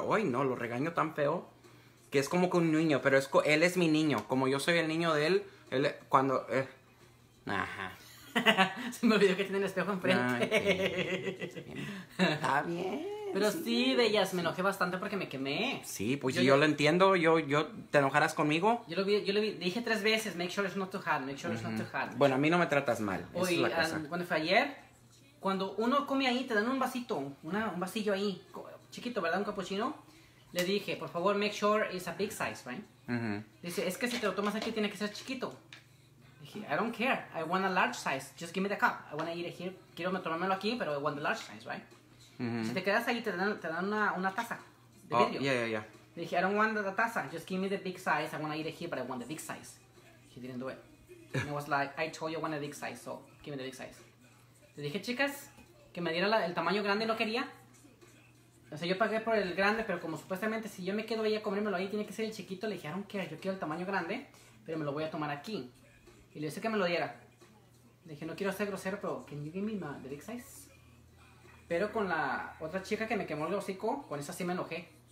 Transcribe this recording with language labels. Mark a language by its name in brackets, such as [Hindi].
[Spanish] Uy, no, lo regaño tan feo, que es como que un niño, pero él es mi niño. Como yo soy el niño de él, él cuando... Ajá. Se me olvidó que tiene el espejo enfrente. [English] Okay. [Spanish] Está bien. Pero sí, bellas, me enojé bastante porque me quemé. Sí, pues yo lo entiendo, yo ¿te enojarás conmigo? Yo lo vi, dije tres veces, [English] make sure it's not too hard, [Spanish] make sure it's not too hard. Bueno, a mí no me tratas mal, esa es la cosa. Cuando fue ayer, cuando uno come ahí, te dan un vasito, un vasillo ahí, chiquito, ¿verdad? Un cappuccino. Le dije, por favor, [English] make sure it's a big size, right? [Spanish] Dice, es que si te lo tomas aquí, tiene que ser chiquito. [English] Dije, I don't care, I want a large size, just give me the cup. I want to eat it here, [Spanish] quiero tomármelo aquí, [English] pero I want the large size, right? [Spanish] Si te quedas ahí, te dan una taza de vidrio. [English] Yeah. Dije, I don't want the taza. Just give me the big size. I want to eat it here, but I want the big size. He didn't do it. And I was like, I told you I want the big size, so give me the big size. [Spanish] Le dije, chicas, que me diera el tamaño grande, lo quería. O sea, yo pagué por el grande, pero como supuestamente si yo me quedo ahí a comérmelo ahí, tiene que ser el chiquito. Le dije, [English] I don't care, [Spanish] yo quiero el tamaño grande, pero me lo voy a tomar aquí. Y le dije que me lo diera. Le dije, no quiero ser grosero, pero [English] can you give me the big size? [Spanish] Pero con la otra chica que me quemó el hocico, con esa sí me enojé.